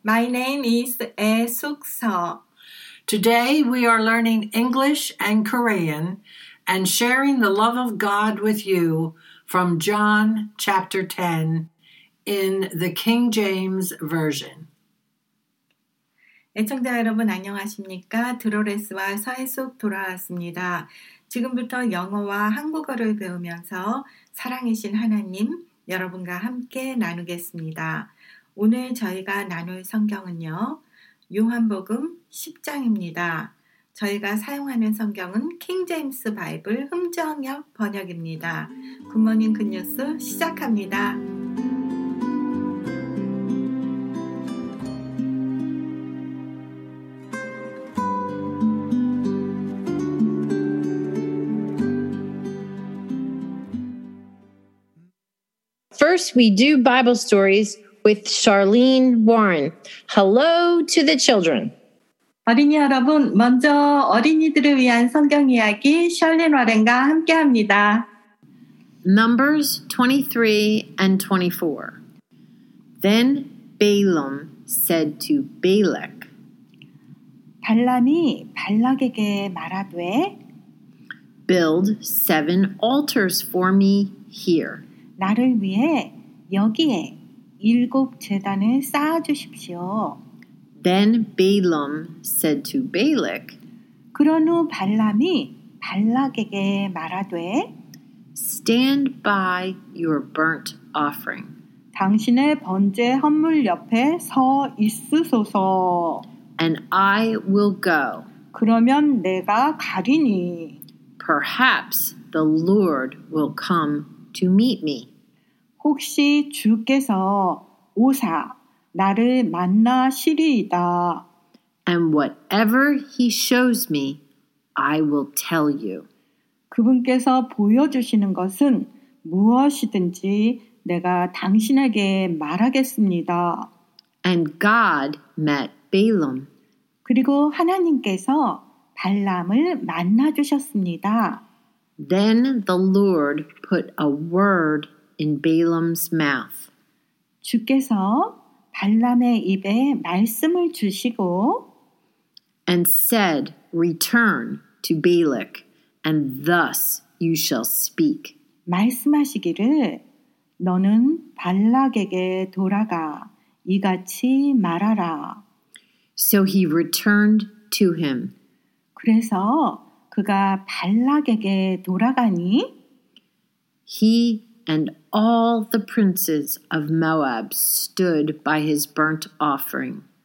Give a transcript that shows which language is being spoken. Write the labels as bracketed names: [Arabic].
[English] My name is Ae Suk Seo. Today we are learning English and Korean and sharing the love of God with you from John chapter 10 in the King James Version. [Korean] 애청자 여러분 안녕하십니까? 도로레스와 서해숙 돌아왔습니다. 지금부터 영어와 한국어를 배우면서 사랑이신 하나님 여러분과 함께 나누겠습니다. 오늘 저희가 나눌 성경은요. 요한복음 10장입니다. 저희가 사용하는 성경은 킹제임스 바이블 흠정역 번역입니다. 굿모닝 굿뉴스 시작합니다. [English] First, we do Bible stories with Charlene Warren. Hello to the children. [Korean] 어린이 여러분, 먼저 어린이들을 위한 성경 이야기 샬린 워렌과 함께합니다. [English] Numbers 23 and 24. Then Balaam said to Balak. [Korean] 발람이 발락에게 말하되 [English] Build 7 altars for me here. [Korean] 나를 위해 여기에 일곱 제단을 쌓아주십시오. [English] Then Balaam said to Balak, [Korean] 그런 후 발람이 발락에게 말하되, [English] Stand by your burnt offering. [Korean] 당신의 번제 헌물 옆에 서 있으소서. [English] And I will go. [Korean] 그러면 내가 가리니. [English] Perhaps the Lord will come to meet me. [Korean] 혹시 주께서 오사 나를 만나시리이다. [English] And whatever he shows me, I will tell you. [Korean] 그분께서 보여주시는 것은 무엇이든지 내가 당신에게 말하겠습니다. [English] And God met Balaam. [Korean] 그리고 하나님께서 발람을 만나주셨습니다. [English] Then the Lord put a word in Balaam's mouth. [Korean] 주께서 발람의 입에 말씀을 주시고 [English] and said, return to Balak, and thus you shall speak. [Korean] 말씀하시기를 너는 발락에게 돌아가 이같이 말하라. [English] So he returned to him. [Korean] 그래서 그가 발락에게 돌아가니 [English] he and all the princes of Moab stood by his burnt offering.